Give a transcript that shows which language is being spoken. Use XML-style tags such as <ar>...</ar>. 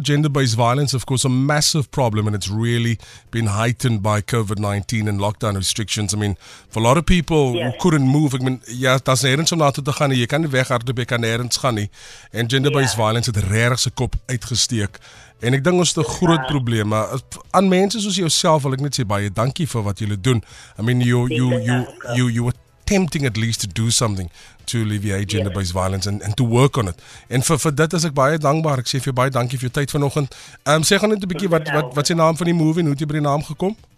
<en>Gender-based violence, of course, a massive problem, and it's really been heightened by COVID-19 and lockdown restrictions. I mean, for a lot of people who couldn't move, I mean,</en> <af>ja, daar's nêrens om na toe te gaan nie,</af> <en>jy kan nie weghardloop, jy kan nêrens gaan nie.</en> <af>En gender-based violence het regtig sy kop uitgesteek. En ek dink ons het 'n groot probleem. Aan mense soos jouself wil ek net sê baie dankie vir wat julle doen.</af> <en>I mean, you attempting at least to do something to alleviate gender-based violence and to work on it. And for</en> <af>dit is ek baie dankbaar. Ek sê vir jou baie dankie vir jou tyd vanoggend. Sê gaan net 'n bietjie wat se naam van die movie en hoe het jy by die naam gekom?</af>